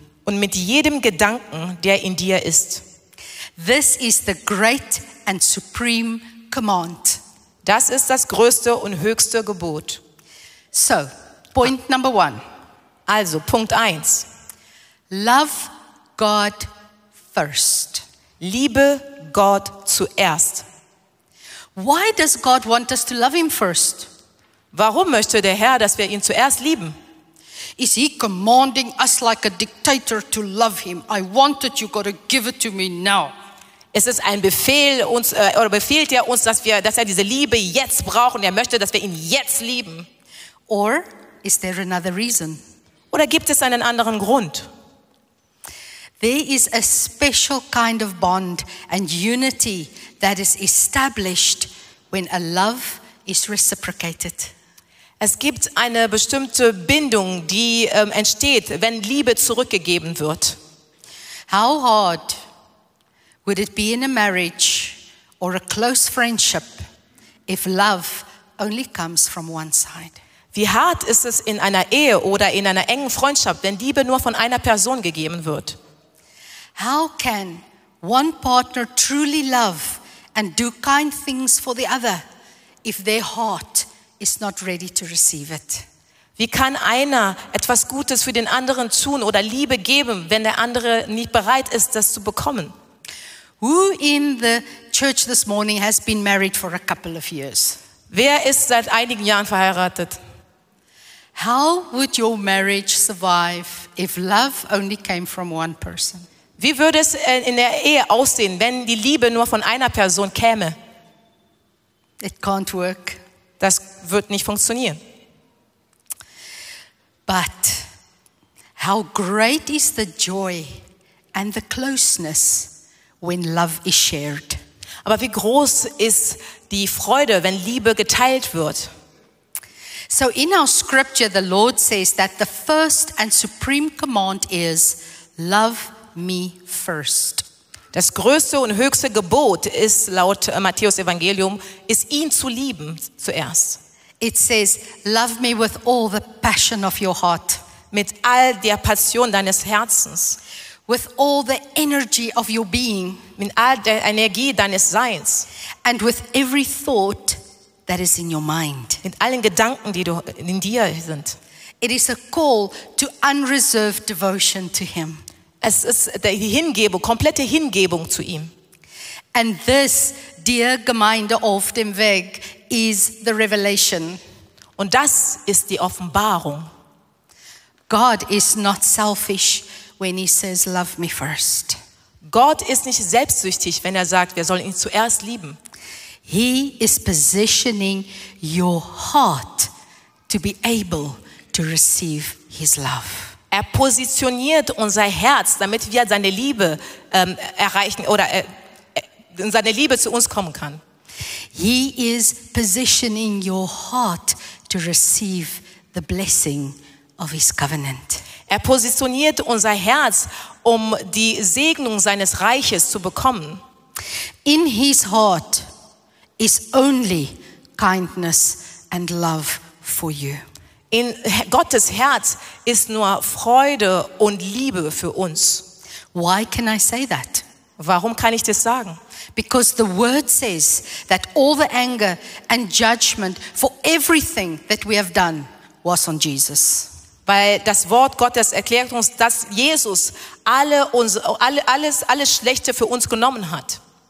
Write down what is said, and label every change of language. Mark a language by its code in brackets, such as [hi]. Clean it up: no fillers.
[de] Und mit jedem Gedanken, der in dir ist. [en] This is the great and supreme command. [de] Das ist das größte und höchste Gebot. [en] So, point number one. [de] Also, Punkt eins. [en] Love God first. [de] Liebe Gott zuerst. [en] Why does God want us to love him first? [de] Warum möchte der Herr, dass wir ihn zuerst lieben? [en] Is he commanding us like a dictator to love him? I want it, you gotta give it to me now. [de] Es ist ein Befehl uns, oder befiehlt er uns, dass er diese Liebe jetzt braucht und er möchte, dass wir ihn jetzt lieben. [en] Or is there another reason? [de] Oder gibt es einen anderen Grund? [en] There is a special kind of bond and unity that is established when a love is reciprocated. [de] Es gibt eine bestimmte Bindung, die entsteht, wenn Liebe zurückgegeben wird. [en] How hard would it be in a marriage or a close friendship if love only comes from one side? [de] Wie hart ist es in einer Ehe oder in einer engen Freundschaft, wenn Liebe nur von einer Person gegeben wird? [en] How can one partner truly love and do kind things for the other if their heart is not ready to receive it? [de] Wie kann einer etwas Gutes für den anderen tun oder Liebe geben, wenn der andere nicht bereit ist, das zu bekommen? [en] Who in the church this morning has been married for a couple of years? [de] Wer ist seit einigen Jahren verheiratet? [en] How would your marriage survive if love only came from one person? [de] Wie würde es in der Ehe aussehen, wenn die Liebe nur von einer Person käme? [en] It can't work. [de] Das wird nicht funktionieren. [en] But how great is the joy and the closeness when love is shared. [de] Aber wie groß ist die Freude, wenn Liebe geteilt wird? [en] So in our scripture the Lord says that the first and supreme command is love me first. [de] Das größte und höchste Gebot ist laut Matthäus Evangelium ist ihn zu lieben zuerst. [en] It says love me with all the passion of your heart. [de] Mit all der Passion deines Herzens. [en] With all the energy of your being. [de] Mit all der Energie deines Seins. [en] And with every thought that is in your mind. [de] Mit allen Gedanken, die in dir sind. [en] It is a call to unreserved devotion to him. [de] Es ist die Hingebung, komplette Hingebung zu ihm. [en] And this, dear Gemeinde auf dem Weg, is the revelation. [de] Und das ist die Offenbarung. [en] God is not selfish when he says, love me first. [de] Gott ist nicht selbstsüchtig, wenn er sagt, wir sollen ihn zuerst lieben. [en] He is positioning your heart to be able to receive his love. [de] Er positioniert unser Herz, damit wir seine Liebe erreichen oder in seine Liebe zu uns kommen kann. [en] He is positioning your heart to receive the blessing of his covenant. [de] Er positioniert unser Herz, um die Segnung seines Reiches zu bekommen. [en] In his heart is only kindness and love for you. [de] In Gottes Herz ist nur Freude und Liebe für uns. [en] Why can I say that? [de] Warum kann ich das sagen? [en] Because the word says that all the anger and judgment for everything that we have done was on Jesus. [de] Weil das Wort Gottes erklärt uns, dass Jesus alles Schlechte für uns genommen hat.